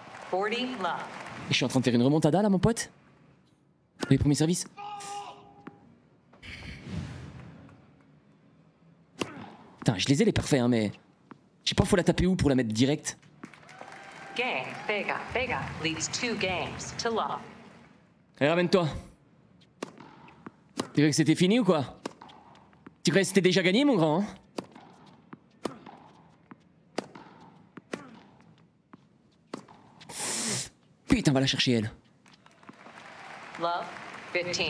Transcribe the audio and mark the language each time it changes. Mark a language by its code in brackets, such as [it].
[en] 40 love. [fr] Je suis en train de faire une remontada, là, mon pote. Oui, premier service. Putain, je les ai, les parfaits, hein, mais... Je sais pas, faut la taper où pour la mettre direct. [en] Gang, Vega, Vega leads two games to love. [fr] Allez, ramène-toi. Tu croyais que c'était fini ou quoi? Tu croyais que c'était déjà gagné, mon grand, hein? Putain, va la chercher, elle. [en] Love, 15.